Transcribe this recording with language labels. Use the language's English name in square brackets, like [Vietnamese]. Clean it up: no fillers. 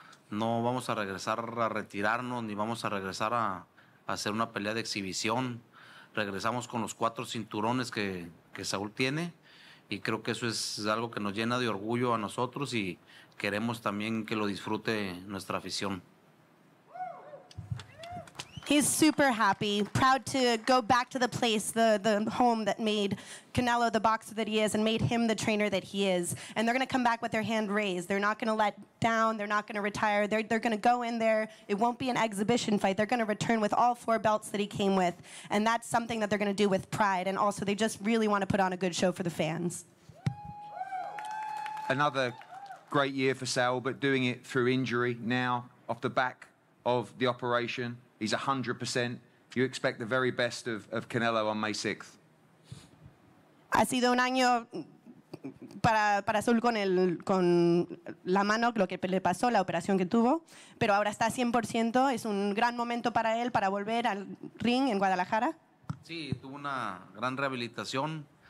[Spanish] No vamos a regresar a retirarnos ni vamos a regresar a hacer una pelea de exhibición. Regresamos con los 4 cinturones que Saúl tiene, y creo que eso es algo que nos llena de orgullo a nosotros y queremos también que lo disfrute nuestra afición. [English] He's super happy, proud to go back to the place, the home that made Canelo the boxer that he is and made him the trainer that he is. And they're going to come back with their hand raised. They're not going to let down. They're not going to retire. They're going to go in there. It won't be an exhibition fight. They're going to return with all 4 belts that he came with. And that's something that they're going to do with pride. And also, they just really want to put on a good show for the fans. Another great year for Saul, but doing it through injury now off the back of the operation. He's 100%. You expect the very best of Canelo on May 6th. [Spanish] Ha sido un año para Saul con la mano, lo que le pasó, la operación que tuvo. Pero ahora está 100%. Es un gran momento para él para volver al ring en Guadalajara. Sí, tuvo una gran rehabilitación.